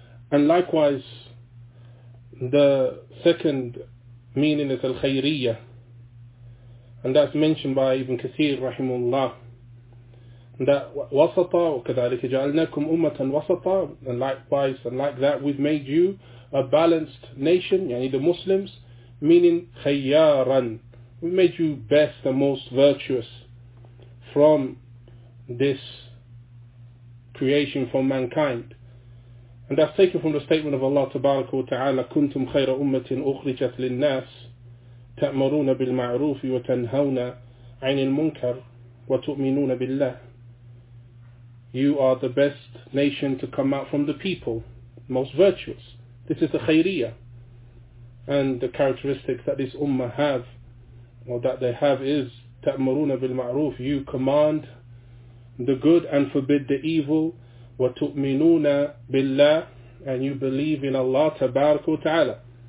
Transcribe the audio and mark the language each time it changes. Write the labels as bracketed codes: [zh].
[en] And likewise, the second meaning is al-khayriya, and that's mentioned by Ibn Kathir rahimullah, that wasata, [ar] وَكَذَلِكَ جَعَلْنَاكُمْ أُمَّةً وَسَطًا, [en] and likewise, and like that, we've made you a balanced nation, yani the Muslims, meaning خَيَّارًا, we made you best and most virtuous from this creation, from mankind. And that's taken from the statement of Allah Tabaraka wa Ta'ala, [ar] كُنْتُمْ خَيْرَ أُمَّةٍ أُخْرِجَتْ لِلنَّاسِ تَأْمَرُونَ بِالْمَعْرُوفِ وَتَنْهَوْنَ عَنِ الْمُنْكَرِ وَتُؤْمِنُونَ بِاللَّهِ. [en] You are the best nation to come out from the people, most virtuous. This is the khayriya, and the characteristics that this ummah have, or that they have, is [ar] ta'muruna bil ma'roof, [en] you command the good and forbid the evil, [ar] wa tu'minuna billah, [en] and you believe in Allah tabarak wa ta'ala.